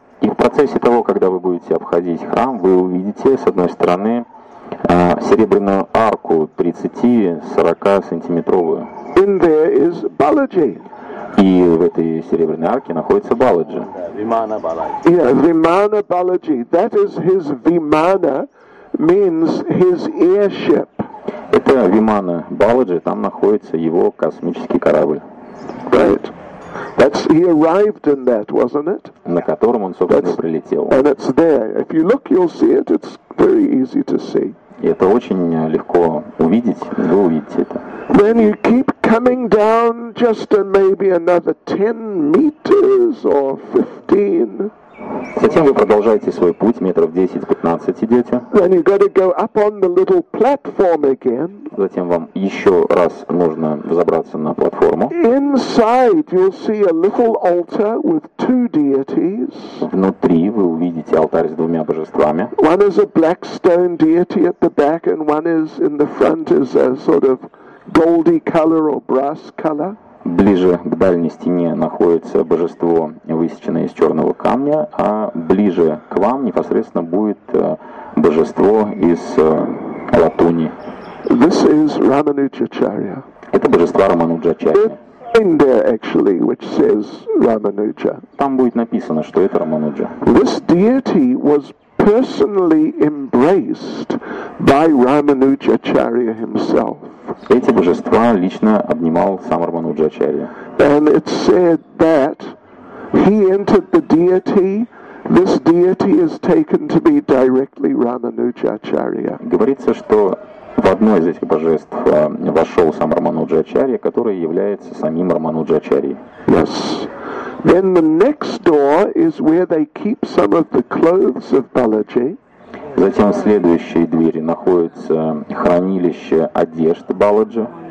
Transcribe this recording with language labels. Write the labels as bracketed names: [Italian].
[Russian] И в процессе того, когда вы будете обходить храм, вы увидите, с одной стороны, серебряную арку 30-40 сантиметровую. [English] In there is Balaji. [Russian] И в этой серебряной арке находится Баладжи. [English] Vimana Balaji. Yeah, Vimana Balaji. That is his Vimana, means his airship. [Russian] Это Vimana Balaji, там находится его космический корабль. [English] Right. That's he arrived in that, wasn't it? [Russian] На котором он, собственно, прилетел. [English] And it's there. If you look, you'll see it. It's very easy to see. [Russian] И это очень легко увидеть. Вы увидите это. [English] Then you keep coming down just in maybe another 10 meters or 15. [Russian] Затем вы продолжаете свой путь, метров 10-15 идете. [English] Then you gotta go up on the little platform again. [Russian] Затем вам еще раз нужно взобраться на платформу. [English] Inside you'll see a little altar with two deities. [Russian] Внутри вы увидите алтарь с двумя божествами. [English] One is a black stone deity at the back, and one is in the front is a sort of goldy color or brass color. [Russian] Ближе к дальней стене находится божество, высеченное из черного камня, а ближе к вам непосредственно будет божество из латуни. [English] This is Ramanujacharya. [Russian] Это божество Рамануджачарья. Там будет написано, что это Рамануджа. [English] This deity was personally embraced by Ramanujacharya himself. [Russian] Эти божества лично обнимал сам Рамануджачарья. [English] And it said that he entered the deity. This deity is taken to be directly Ramanujacharya. [Russian] Говорится, что в одно из этих божеств вошел сам Рамануджачарья, который является самим Рамануджачарьей. [English] Yes. Then the next door is where they keep some of the clothes of Balaji. [Russian] Затем в следующей двери находится хранилище одежд Баладжи.